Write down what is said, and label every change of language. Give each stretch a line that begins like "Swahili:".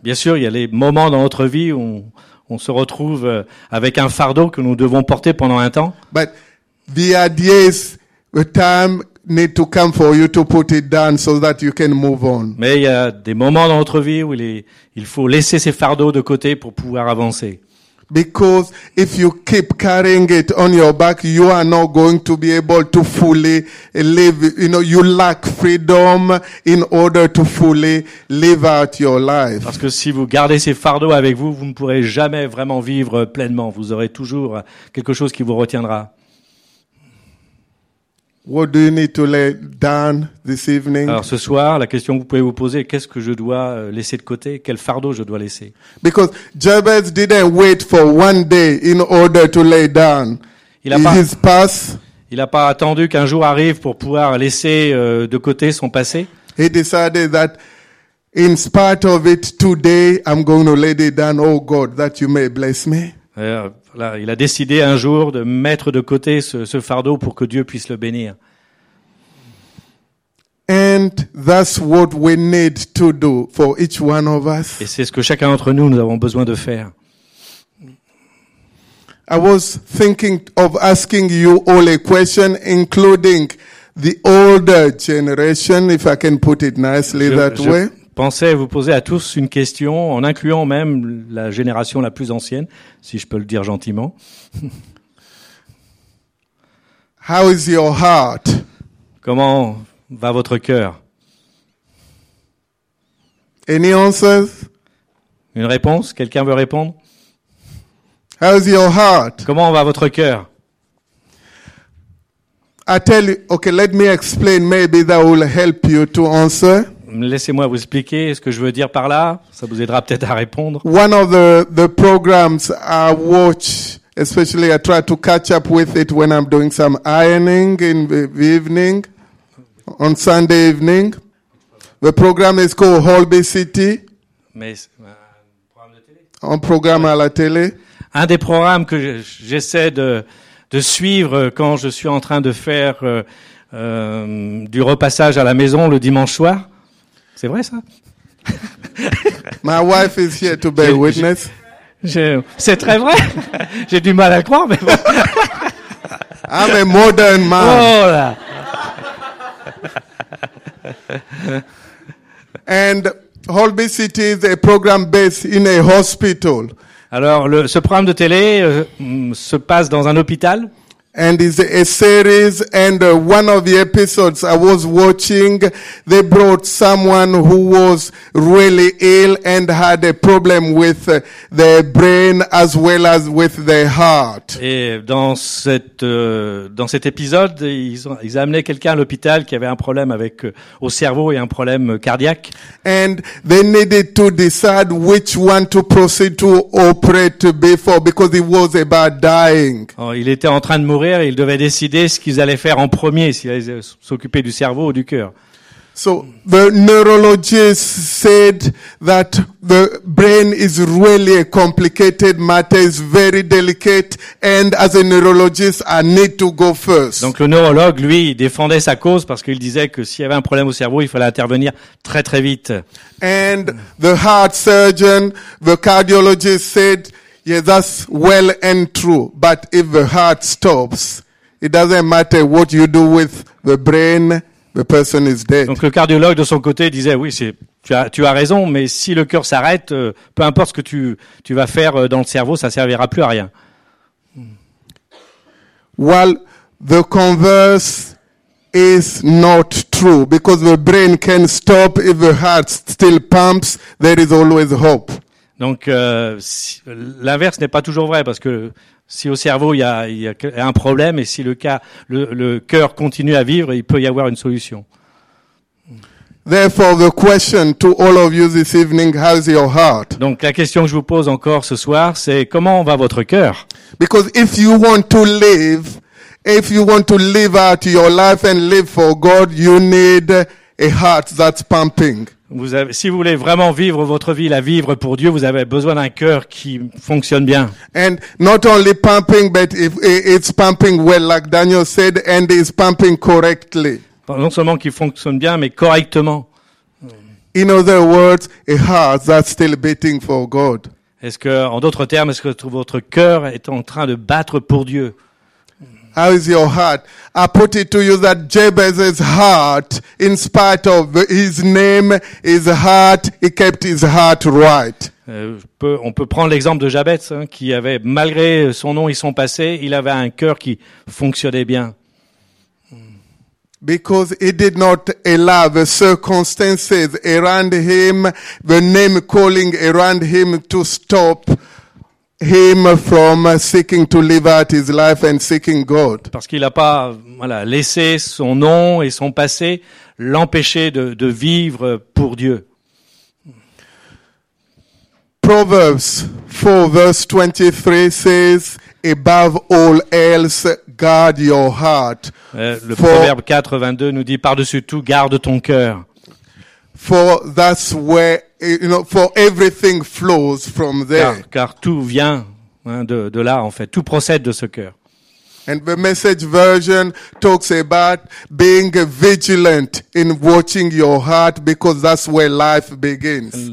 French: Bien sûr, il y a les moments dans notre vie où on se retrouve avec un fardeau que nous devons porter pendant un temps.
English: But the idea is the time need to come for you to put it down so that you can move on.
French: Mais il y a des moments dans notre vie où il faut laisser ces fardeaux de côté pour pouvoir avancer.
English: Because if you keep carrying it on your back, you are not going to be able to fully live. You know, you lack freedom in order to fully live out your life.
French: Parce que si vous gardez ces fardeaux avec vous, vous ne pourrez jamais vraiment vivre pleinement. Vous aurez toujours quelque chose qui vous retiendra.
English: What do you need to lay down this evening?
French: Alors ce soir, la question que vous pouvez vous poser, qu'est-ce que je dois laisser de côté? Quel fardeau je dois laisser?
English: Because Jabez didn't wait for one day in order to lay down his past.
French: Il n'a pas attendu qu'un jour arrive pour pouvoir laisser de côté son passé.
English: He decided that in spite of it today, I'm going to lay it down, oh God, that you may bless me.
French: Voilà, il a décidé un jour de mettre de côté ce fardeau pour que Dieu puisse le bénir.
English: And that's what we need to do for each one of us.
French: Et c'est ce que chacun d'entre nous avons besoin de faire.
English: I was thinking of asking you all a question, including the older generation, if I can put it nicely that way.
French: Pensez à vous poser à tous une question, en incluant même la génération la plus ancienne, si je peux le dire gentiment.
English: How is your heart?
French: Comment va votre cœur?
English: Any answers?
French: Une réponse? Quelqu'un veut répondre?
English: How is your heart?
French: Comment va votre cœur?
English: I tell you, okay, let me explain, maybe that will help you to answer.
French: Laissez-moi vous expliquer ce que je veux dire par là. Ça vous aidera peut-être à répondre.
English: One of the programs I watch, especially I try to catch up with it when I'm doing some ironing in the evening, on Sunday evening. The program is called Holby City.
French: Mais un programme à la télé. Un des programmes que j'essaie de suivre quand je suis en train de faire du repassage à la maison le dimanche soir. C'est vrai ça?
English: My wife is here to bear witness.
French: C'est très vrai. J'ai du mal à croire, mais bon.
English: I'm a modern man.
French: Oh là.
English: And Holby City is a program based in a hospital.
French: Alors, ce programme de télé se passe dans un hôpital.
English: And it's a series, and one of the episodes I was watching, they brought someone who was really ill and had a problem with their brain as well as with their heart.
French: Et dans cet épisode, ils amenaient quelqu'un à l'hôpital qui avait un problème avec au cerveau et un problème cardiaque.
English: And they needed to decide which one to proceed to operate before because it was about dying.
French: Oh, il était en train de mourir. Et ils devaient décider ce qu'ils allaient faire en premier, s'ils allaient s'occuper du cerveau ou du cœur.
English: So the neurologist said that the brain is really a complicated matter, is very delicate, and as a neurologist, I need to go first.
French: Donc le neurologue, lui, défendait sa cause parce qu'il disait que s'il y avait un problème au cerveau, il fallait intervenir très très vite.
English: And the heart surgeon, the cardiologist said. Yeah, that's well and true. But if the heart stops, it doesn't matter what you do with the brain, the person is dead.
French: Donc le cardiologue de son côté disait oui, tu as raison, mais si le cœur s'arrête, peu importe ce que tu vas faire dans le cerveau, ça servira plus à rien.
English: Well, the converse is not true because the brain can stop if the heart still pumps, there is always hope.
French: Donc, si, l'inverse n'est pas toujours vrai, parce que si au cerveau, il y a un problème, et si le cœur continue à vivre, il peut y avoir une solution.
English: Therefore, the question to all of you this evening, how's your heart?
French: Donc, la question que je vous pose encore ce soir, c'est comment va votre cœur?
English: Because if you want to live, if you want to live out your life and live for God, you need a heart that's pumping.
French: Vous avez, si vous voulez vraiment vivre votre vie, la vivre pour Dieu, vous avez besoin d'un cœur qui fonctionne bien.
English: And not only pumping, but if it's pumping well, like Daniel said, and it's pumping correctly.
French: Non seulement qu'il fonctionne bien, mais correctement.
English: In other words, a heart that's still beating for God.
French: Est-ce que, en d'autres termes, est-ce que votre cœur est en train de battre pour Dieu?
English: How is your heart? I put it to you that Jabez's heart, in spite of his name, his heart, he kept his heart right.
French: On peut prendre l'exemple de Jabez, hein, qui avait, malgré son nom et son passé, il avait un cœur qui fonctionnait bien.
English: Because he did not allow the circumstances around him, the name calling around him to stop him from seeking to live out his life and seeking God.
French: Parce qu'il n'a pas, voilà, laissé son nom et son passé l'empêcher de vivre pour Dieu.
English: Proverbs 4 verse 23 says, above all else, guard your heart.
French: Le proverbe 4, 22 nous dit, par-dessus tout, garde ton cœur.
English: For that's where, you know, for everything flows from there.
French: Car tout vient, hein, de là, en fait. Tout procède de ce cœur.
English: And the Message version talks about being vigilant in watching your heart because that's where life begins.